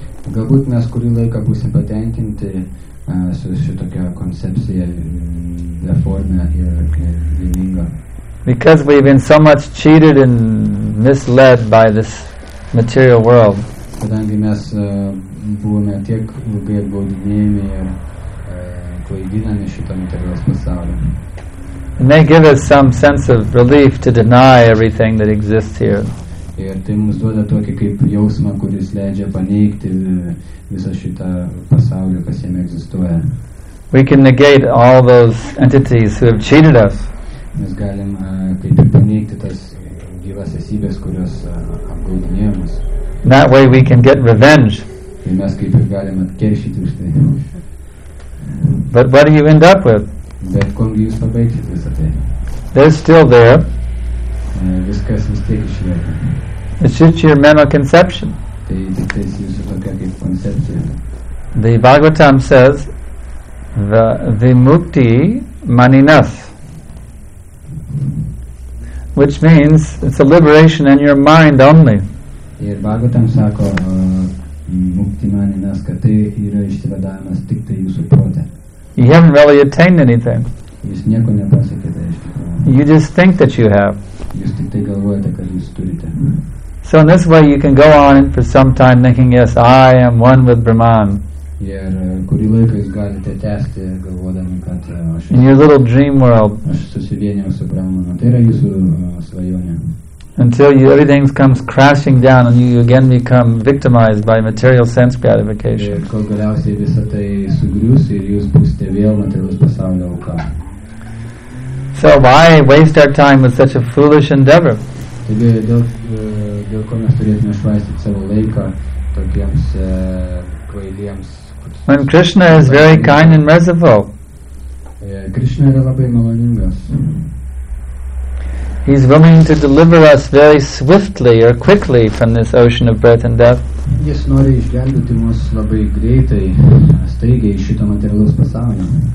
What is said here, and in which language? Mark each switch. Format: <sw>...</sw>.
<lt>Galbūt mes kurį laiką būsim patenkinti su šitokia koncepcija beformė ir vieninga.</lt> <en>Because we've been so much cheated and misled by this material world.</en> <lt>Kadangi mes buvome tiek labai apgaudinėjami ir klaidinami šito materialaus pasaulio.</lt> <en>And they give us some sense of relief to deny everything that exists here</en> <lt>Ir tai mums duoda tokį kaip jausmą, kuris leidžia paneigti visą šitą pasaulį, kas jame egzistuoja.</lt> <en>We can negate all those entities who have cheated us.</en> <lt>Mes galim kaip ir paneigti tas gyvas esybės, kurios apgaudinėjo mus.</lt> <en>That way we can get revenge.</en> <lt>Ir mes kaip ir galim atkeršyti už tai.</lt> <en>But what do you end up with?</en> <lt>Bet kuom jūs pabaigsit visą tai?</lt> <en>They're still there.</en> <lt>Viskas vis tiek išlieka.</lt> <en>It's just your mental conception.</en> <lt>Tai jūsų tokia kaip koncepcija.</lt> <en>The Bhagavatam says the vimukti maninas, which means it's a liberation in your mind only.</en> <lt>Ir Bhagavatam sako mukti maninas, kad tai yra išsivadavimas tik tai jūsų prote.</lt> <en>You haven't really attained anything.</en> <lt>Jūs nieko nepasiekėte.</lt> <en>You just think that you have.</en> <lt>Jūs tik tai galvojate, kad jūs turite.</lt> <en>So in this way you can go on for some time thinking, yes, I am one with Brahman.</en> <lt>Ir kurį laiką jūs galite tęsti, galvodami, kad aš...</lt> <en>In your little dream world.</en> <lt>Aš susivienėjau su Brahmanu. Tai yra jūsų svajonė.</lt> <en>Until you, everything comes crashing down and you again become victimized by material sense gratification.</en> <lt>Ir kol galiausiai visa tai sugrius ir jūs būsite vėl materialus pasaulio auka.</lt> <en>So why waste our time with such a foolish endeavor?</en> <lt>Taigi, dėl ko mes turėtume švaistyti savo laiką tokiems kvailiems.</lt> <en>When Krishna is very kind and merciful.</en> <lt>Krishna yra labai maloningas.</lt> <en>He's willing to deliver us very swiftly or quickly from this ocean of birth and death.</en> <lt>Jis nori išgelbėti mus labai greitai, staigiai iš šito materialaus pasaulio.</lt>